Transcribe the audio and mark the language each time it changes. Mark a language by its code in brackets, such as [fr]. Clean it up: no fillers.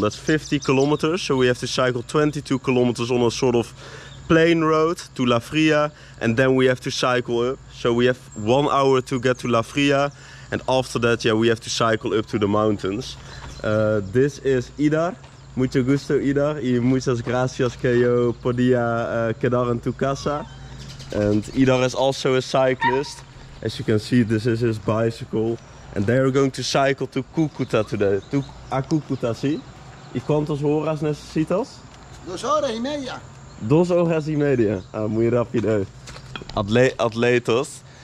[en] That's 50 kilometers, so we have to cycle 22 kilometers on a sort of plain road to La Fría, and then we have to cycle up. So we have 1 hour to get to La Fría, and after that, yeah, we have to cycle up to the mountains. This is Idar. [es] Mucho gusto, Ida. Y muchas gracias que yo podía quedar en tu casa. [en] And Ida is also a cyclist. As you can see, this is his bicycle. And they are going to cycle to Cúcuta today. [es] A Cúcuta, sí. ¿Y cuántas horas necesitas? 2 horas y media. 2 horas y media. Ah, muy rápido. Atletas.